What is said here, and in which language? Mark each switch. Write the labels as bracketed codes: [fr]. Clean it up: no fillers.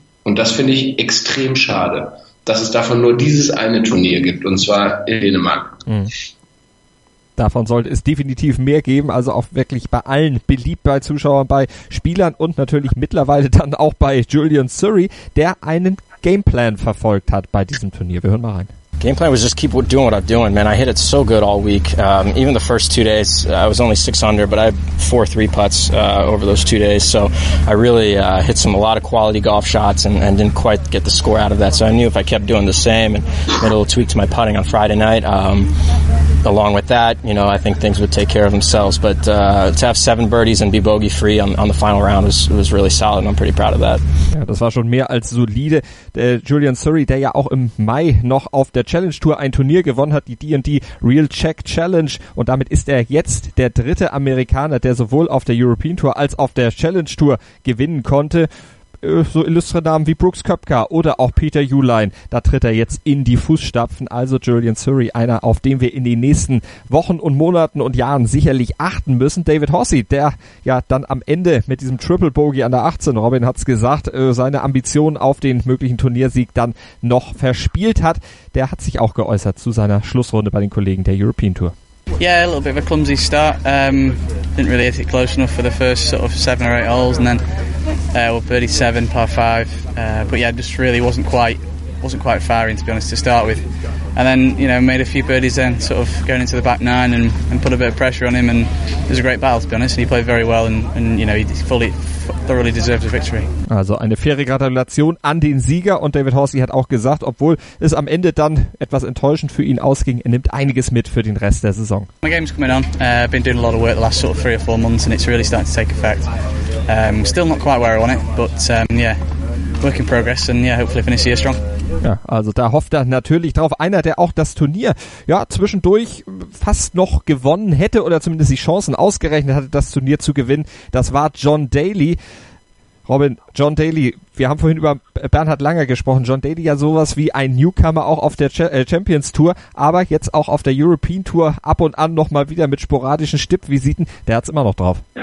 [de] Und das finde ich extrem schade, dass es davon nur dieses eine Turnier gibt, und zwar in Dänemark. Davon sollte es definitiv mehr geben, also auch wirklich bei allen, beliebt bei Zuschauern, bei Spielern und natürlich mittlerweile dann auch bei Julian Surrey, der einen Gameplan verfolgt hat bei diesem Turnier. Wir hören mal rein. [en] Gameplan was just keep doing what I'm doing, man. I hit it so good all week. Even the first 2 days, I was only 6 under, but I had 4 3-putts over those 2 days. So I really hit some a lot of quality golf shots and didn't quite get the score out of that. So I knew if I kept doing the same and made a little tweak to my putting on Friday night, along with that, you know, I think things would take care of themselves. But to have 7 birdies and be bogey-free on the final round was really solid, and I'm pretty proud of that. [de] Ja, das war schon mehr als solide. Der Julian Surrey, der ja auch im Mai noch auf der Challenge-Tour ein Turnier gewonnen hat, die D&D Real Check Challenge. Und damit ist er jetzt der dritte Amerikaner, der sowohl auf der European Tour als auf der Challenge-Tour gewinnen konnte. So illustre Namen wie Brooks Koepka oder auch Peter Uihlein, da tritt er jetzt in die Fußstapfen. Also Julian Surrey, einer, auf den wir in den nächsten Wochen und Monaten und Jahren sicherlich achten müssen. David Horsey, der ja dann am Ende mit diesem Triple Bogey an der 18, Robin hat es gesagt, seine Ambitionen auf den möglichen Turniersieg dann noch verspielt hat, der hat sich auch geäußert zu seiner Schlussrunde bei den Kollegen der European Tour. [en] Yeah, a little bit of a clumsy start. Didn't really hit it close enough for the first sort of 7 or 8 holes, and then birdie 7, par 5. But yeah, just really wasn't quite wasn't quite firing, to be honest, to start with. And then, you know, made a few birdies then, sort of going into the back nine and put a bit of pressure on him. And it was a great battle, to be honest. And he played very well and you know, he fully... thoroughly deserved the victory. [de] Also eine faire Gratulation an den Sieger, und David Horsey hat auch gesagt, obwohl es am Ende dann etwas enttäuschend für ihn ausging, er nimmt einiges mit für den Rest der Saison. [en] My game's coming on. I've been doing a lot of work the last sort of 3 or 4 months and it's really starting to take effect. Still not quite where I want it, but yeah, work in progress and yeah, hopefully finish the year strong. [de] Ja, also da hofft er natürlich drauf. Einer, der auch das Turnier ja zwischendurch fast noch gewonnen hätte oder zumindest die Chancen ausgerechnet hatte, das Turnier zu gewinnen, das war John Daly. Robin, John Daly, wir haben vorhin über Bernhard Langer gesprochen. John Daly ja sowas wie ein Newcomer auch auf der Champions Tour, aber jetzt auch auf der European Tour ab und an nochmal wieder mit sporadischen Stippvisiten. Der hat es immer noch drauf.